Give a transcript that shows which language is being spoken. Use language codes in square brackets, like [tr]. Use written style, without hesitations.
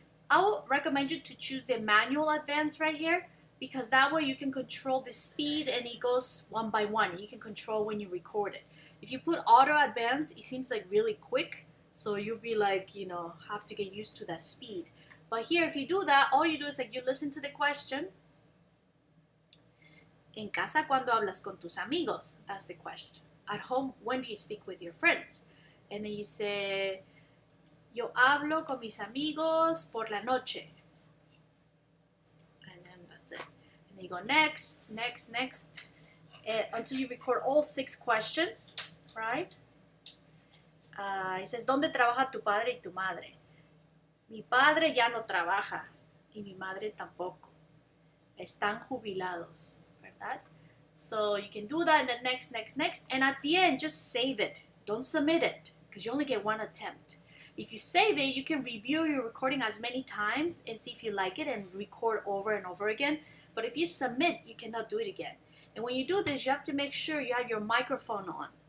[en] I will recommend you to choose the manual advance right here, because that way you can control the speed and it goes one by one. You can control when you record it. If you put auto advance, it seems like really quick. So you'll be like, you know, have to get used to that speed. But here, if you do that, all you do is like you listen to the question. [es] En casa, ¿cuándo hablas con tus amigos? [en] That's the question. At home, when do you speak with your friends? And then you say, [es] yo hablo con mis amigos por la noche. [en] And then that's it. And then you go next, next, next, until you record all 6 questions, right? It says, [es] ¿dónde trabaja tu padre y tu madre? Mi padre ya no trabaja y mi madre tampoco. Están jubilados, ¿verdad? [en] So you can do that, and then next, next, next. And at the end, just save it. Don't submit it, because you only get one attempt. If you save it, you can review your recording as many times and see if you like it and record over and over again. But if you submit, you cannot do it again. And when you do this, you have to make sure you have your microphone on.